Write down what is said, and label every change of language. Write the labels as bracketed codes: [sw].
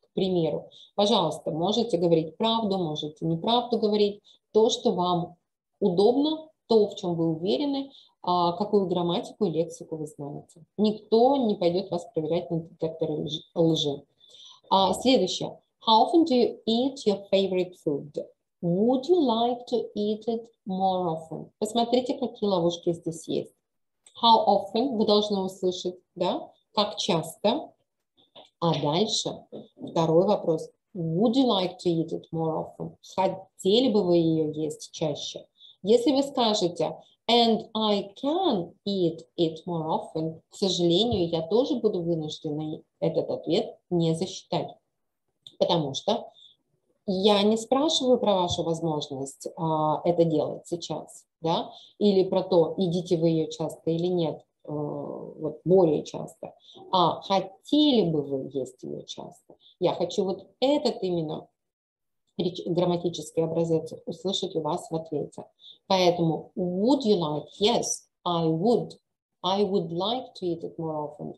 [ru] К примеру, пожалуйста, можете говорить правду, можете неправду говорить. То, что вам удобно, то, в чем вы уверены, какую грамматику и лексику вы знаете. Никто не пойдет вас проверять на детектор лжи. Следующее. [en] How often do you eat your favorite food? Would you like to eat it more often? [ru] Посмотрите, какие ловушки здесь есть. [en] How often? [ru] Вы должны услышать, да? Как часто? А дальше второй вопрос. [en] Would you like to eat it more often? [ru] Хотели бы вы ее есть чаще? Если вы скажете, [en] and I can eat it more often, [ru] к сожалению, я тоже буду вынуждена этот ответ не засчитать. Потому что я не спрашиваю про вашу возможность это делать сейчас, да, или про то, едите вы ее часто или нет. Вот более часто, а хотели бы вы есть ее часто. Я хочу вот этот именно грамматический образец услышать у вас в ответе. Поэтому [en] would you like? Yes, I would. I would like to eat it more often.